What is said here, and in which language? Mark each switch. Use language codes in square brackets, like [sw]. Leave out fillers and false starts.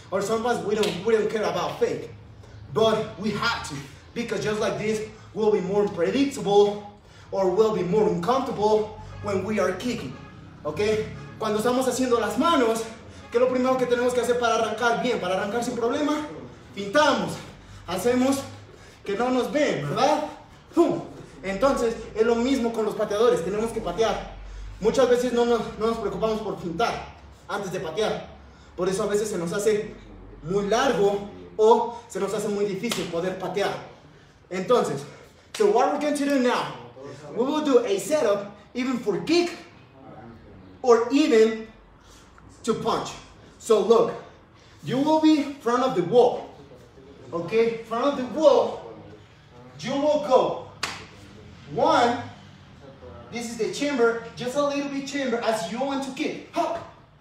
[en] Or sometimes we don't care about fake. But we have to, because just like this, we'll be more predictable or we'll be more uncomfortable when we are kicking, okay? [es] Cuando estamos haciendo las manos, ¿qué es lo primero que tenemos que hacer para arrancar bien? Para arrancar sin problema, pintamos, hacemos que no nos ven, ¿verdad? ¡Pum! Entonces, es lo mismo con los pateadores, tenemos que patear. Muchas veces no nos preocupamos por pintar antes de patear. Por eso a veces se nos hace muy largo o se nos hace muy difícil poder patear. [en] Entonces, so what we're going to do now, we will do a setup even for kick or even to punch. So look, you will be front of the wall, okay? Front of the wall, you will go one, this is the chamber, just a little bit chamber as you want to kick, hop.